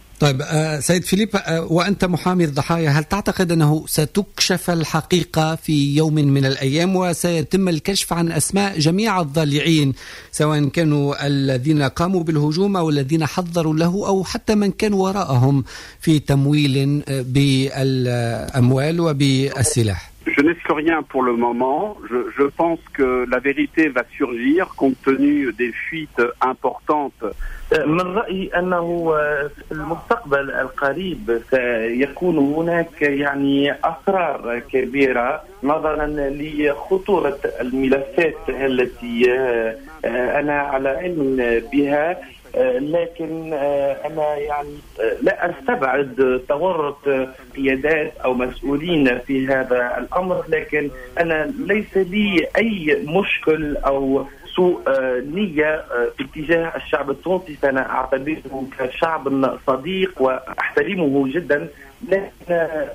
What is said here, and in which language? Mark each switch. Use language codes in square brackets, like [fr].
[ar] طيب سيد فيليب، وأنت محامي الضحايا، هل تعتقد أنه ستكشف الحقيقة في يوم من الأيام وسيتم الكشف عن أسماء جميع الضالعين، سواء كانوا الذين قاموا بالهجوم أو الذين حضروا له أو حتى من كان وراءهم في تمويل بالأموال وبالسلاح؟ [fr] Je n'espère rien pour le moment. Je pense que la vérité va surgir compte tenu des fuites importantes. [ar] من رأيي أنه في المستقبل القريب سيكون هناك يعني أسرار كبيرة نظرا لخطورة الملفات التي أنا على علم بها، لكن أنا يعني لا أستبعد تورط قيادات أو مسؤولين في هذا الأمر، لكن أنا ليس لي أي مشكل أو سوء نية باتجاه الشعب التونسي، فأنا أعتبره كشعب صديق وأحترمه جدا، لكن